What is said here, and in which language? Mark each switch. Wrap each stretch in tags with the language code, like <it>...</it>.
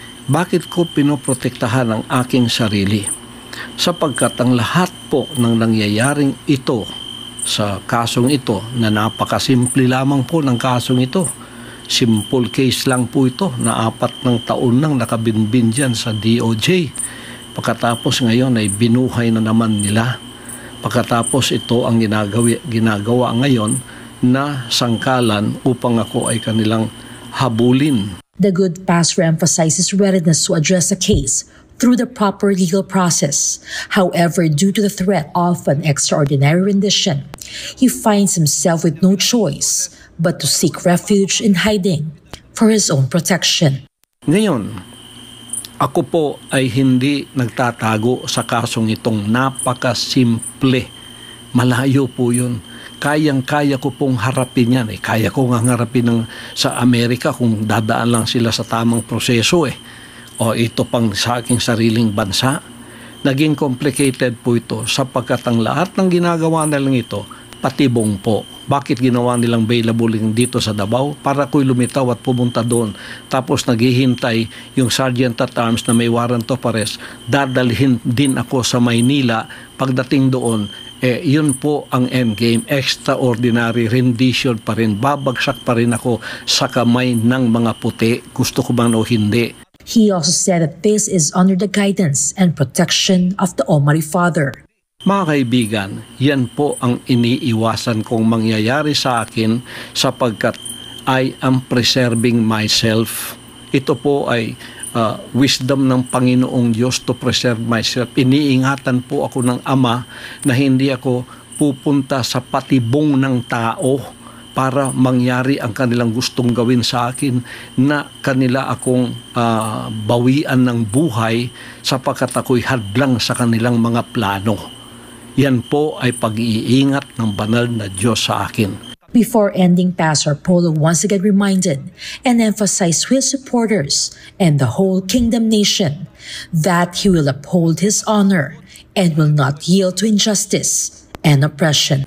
<tl>Bakit ko pinoprotektahan ang aking sarili? Sapagkat ang lahat po ng nangyayaring ito sa kasong ito, na napakasimple lamang po ng kasong ito,</tl> <en>simple case</en> <tl>lang po ito na apat ng taon nang nakabinbin dyan sa DOJ. Pagkatapos ngayon ay binuhay na naman nila. Pagkatapos ito ang ginagawa ngayon na sangkalan upang ako ay kanilang habulin.</tl> <en>The good pastor emphasizes readiness to address a case through the proper legal process. However, due to the threat of an extraordinary rendition, he finds himself with no choice but to seek refuge in hiding for his own protection.</en> <tl>Ngayon, ako po ay hindi nagtatago sa kasong itong napakasimple. Malayo po yun. Kayang-kaya ko pong harapin yan. Kaya ko nga harapin sa Amerika kung dadaan lang sila sa tamang proseso. O ito pang sa aking sariling bansa. Naging complicated po ito sapagkat ang lahat ng ginagawa nalang ito, patibong po. Bakit ginawa nilang bailabuling dito sa Davao? Para ko'y lumitaw at pumunta doon. Tapos naghihintay yung Sergeant at Arms na may warrant of arrest. Dadalhin din ako sa Maynila. Pagdating doon, yun po ang endgame. Extraordinary rendition pa rin. Babagsak pa rin ako sa kamay ng mga puti. Gusto ko man o hindi.</tl> <en>He also said that this is under the guidance and protection of the Almighty Father.</en> <tl>Mga kaibigan, yan po ang iniiwasan kong mangyayari sa akin sapagkat</tl> <en>I am preserving myself.</en> <tl>Ito po ay wisdom ng Panginoong Diyos</tl> <en>to preserve myself.</en> <tl>Iniingatan po ako ng Ama na hindi ako pupunta sa patibong ng tao para mangyari ang kanilang gustong gawin sa akin, na kanila akong bawian ng buhay sapagkat ako'y hadlang sa kanilang mga plano. Yan po ay pag-iingat ng banal na Diyos sa akin.</tl> <en>Before ending, Pastor Polo once again reminded and emphasized to his supporters and the whole kingdom nation that he will uphold his honor and will not yield to injustice and oppression.</en>